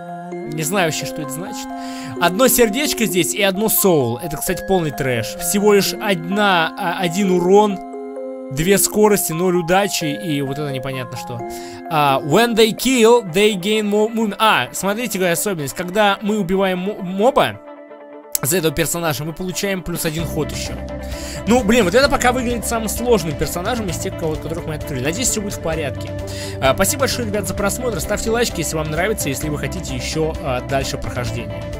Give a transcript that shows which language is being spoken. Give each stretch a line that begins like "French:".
Russian: Не знаю вообще, что это значит. Одно сердечко здесь и одно соул. Это, кстати, полный трэш. Всего лишь один урон, две скорости, ноль удачи и вот это непонятно что.
English: When they kill, they gain moon.
Russian: А, смотрите, какая особенность. Когда мы убиваем моба за этого персонажа, мы получаем плюс один ход еще. Ну, блин, вот это пока выглядит самым сложным персонажем из тех, которых мы открыли. Надеюсь, все будет в порядке. Спасибо большое, ребят, за просмотр. Ставьте лайки, если вам нравится, если вы хотите еще дальше прохождения.